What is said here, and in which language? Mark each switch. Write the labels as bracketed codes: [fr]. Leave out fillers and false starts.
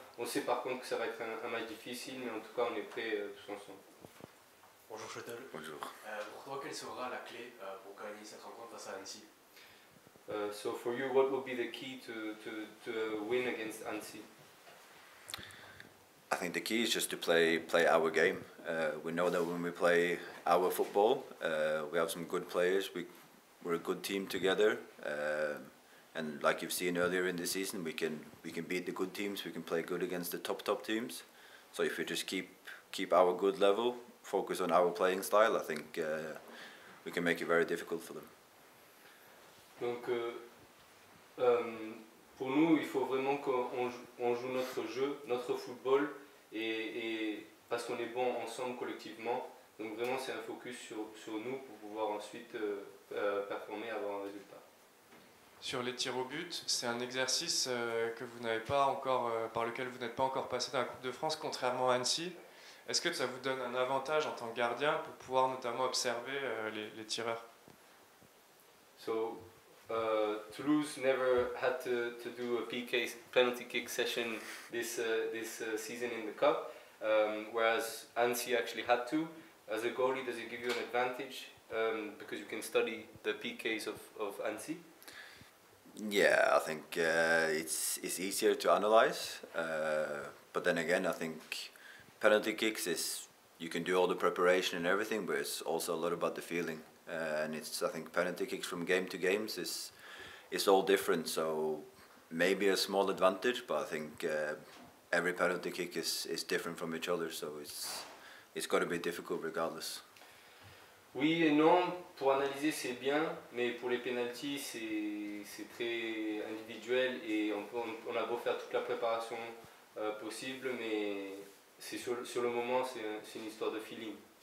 [fr] On sait par contre que ça va être un match difficile, mais en tout cas, on est prêts tous ensemble. Bonjour Chetel. Bonjour. Pour toi, quelle sera la clé pour gagner cette rencontre face à Annecy? [en] So for you, what would be the key to win against Annecy? I think the key is just to play our game. We know that when we play our football, we have some good players. We're a good team together, and like you've seen earlier in the season, we can beat the good teams. We can play good against the top teams. So if we just keep our good level, focus on our playing style, I think we can make it very difficult for them. [fr] Donc, pour nous, il faut vraiment qu'on joue notre jeu, notre football. Et parce qu'on est bon ensemble collectivement, donc vraiment c'est un focus sur nous pour pouvoir ensuite performer, avoir un résultat. Sur les tirs au but, c'est un exercice que vous n'avez pas encore, par lequel vous n'êtes pas encore passé dans la Coupe de France, contrairement à Annecy. Est-ce que ça vous donne un avantage en tant que gardien pour pouvoir notamment observer les tireurs? [en] So, Toulouse never had to do a penalty kick session this season in the cup, whereas Annecy actually had to. As a goalie, does it give you an advantage because you can study the PKs of Annecy? Yeah, I think it's easier to analyze. But then again, I think penalty kicks is you can do all the preparation and everything, but it's also a lot about the feeling. And it's, I think, penalty kicks from game to games is all different. So maybe a small advantage, but I think every penalty kick is different from each other. So it's got to be difficult regardless. [fr] Oui et non. Pour analyser, c'est bien, mais pour les penalties, c'est très individuel et on a beau faire toute la préparation possible, mais c'est sur le moment, c'est une histoire de feeling.